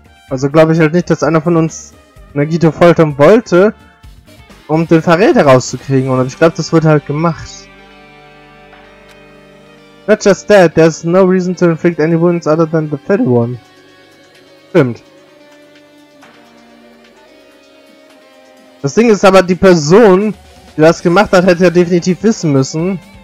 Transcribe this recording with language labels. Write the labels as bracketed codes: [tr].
[de] Also glaube ich halt nicht, dass einer von uns Nagito foltern wollte, um den Verräter rauszukriegen. Und ich glaube, das wird halt gemacht. [en] Not just that, there's no reason to inflict any wounds other than the fatal one. [de] Stimmt. Das Ding ist aber, die Person, die das gemacht hat, hätte ja definitiv wissen müssen.